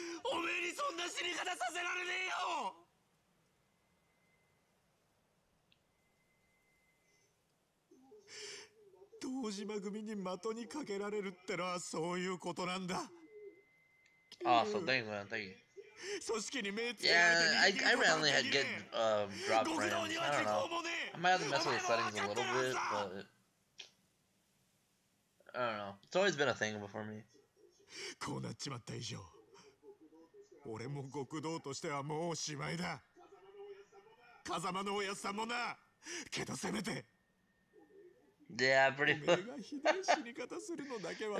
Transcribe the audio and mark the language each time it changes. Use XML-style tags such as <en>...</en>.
<ja>おめえにそんな死に方させられねえよ。堂島組に的にかけられるってのはそういうことなんだ。ああ、そう、</ja> <en>thank you, thank you.</en> <ja>組織に目つけられてに、</ja> <en>yeah, I really had good drop frames. I don't know. I might have to mess with the settings a little bit, but... I don't know. It's always been a thing before me.</en> <ja>こうなっちまった以上、俺も極道としてはもうおしまいだ。風間のおやさんもな。けどせめて。</ja> <en>Yeah, pretty much.</en> <ja>俺がひどい死に方するのだけは</ja>